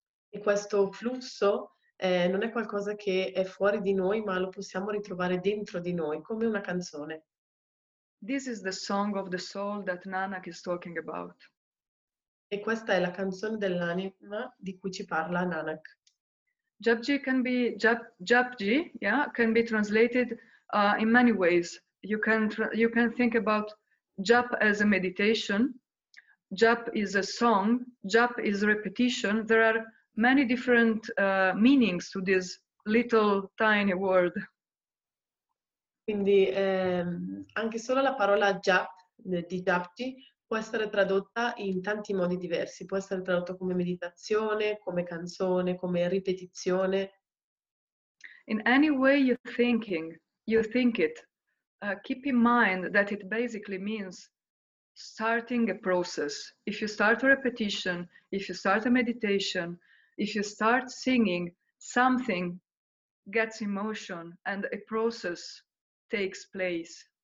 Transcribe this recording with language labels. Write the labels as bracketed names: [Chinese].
[Italian] E questo flusso non è qualcosa che è fuori di noi, ma lo possiamo ritrovare dentro di noi, come una canzone. [English] This is the song of the soul that Nanak is talking about. [Italian] E questa è la canzone dell'anima di cui ci parla Nanak. [English] Japji can be translated in many ways. You can think about Jap as a meditation, Jap is a song, Jap is repetition. There are many different meanings to this little tiny word. [Italian] Quindi anche solo la parola Jap, di Japji, può essere tradotta in tanti modi diversi. Può essere tradotto come meditazione, come canzone, come ripetizione. [English] In any way you're thinking, you think it, keep in mind that it basically means starting a process. If you start a repetition, if you start a meditation, if you start singing, something gets in motion and a process takes place.